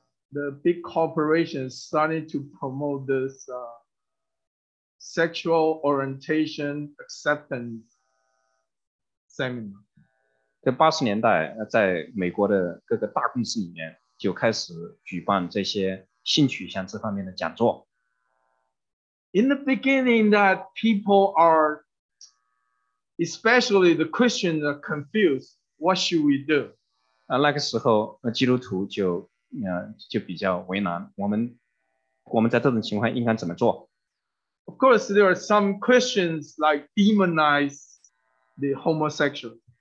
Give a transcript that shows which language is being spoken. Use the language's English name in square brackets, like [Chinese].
[English] The big corporations started to promote this sexual orientation acceptance seminar. [Chinese] 在八十年代，在美国的各个大公司里面就开始举办这些性取向这方面的讲座。 [English] In the beginning, that people are, especially the Christians, are confused. What should we do? [Chinese] 那个时候，基督徒就 就比较为难，我们在这种情况应该怎么做？ [English] Of course, there are some Christians like demonize the homosexual.